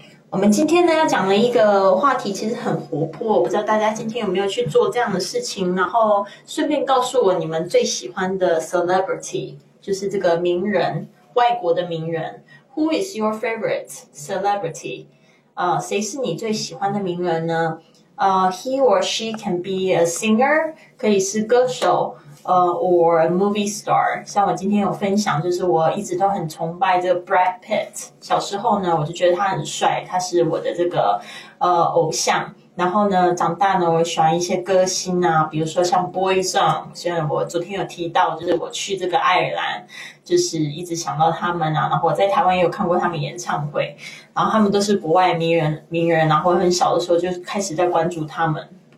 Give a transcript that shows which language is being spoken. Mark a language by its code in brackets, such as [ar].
[zh] 我们今天呢要讲的一个话题其实很活泼，我不知道大家今天有没有去做这样的事情，然后顺便告诉我你们最喜欢的 celebrity，就是这个名人，外国的名人。 [en] Who is your favorite celebrity ？ [zh] 谁是你最喜欢的名人呢？ [en] He or she can be a singer， [zh] 可以是歌手。 [en] Or a movie star， [zh] 像我今天有分享，就是我一直都很崇拜这个 Brad Pitt。小时候呢，我就觉得他很帅，他是我的这个偶像。然后呢，长大呢，我喜欢一些歌星啊，比如说像 Boyzone，虽然我昨天有提到，就是我去这个爱尔兰，就是一直想到他们啊。然后我在台湾也有看过他们演唱会，然后他们都是国外名人，然后很小的时候就开始在关注他们。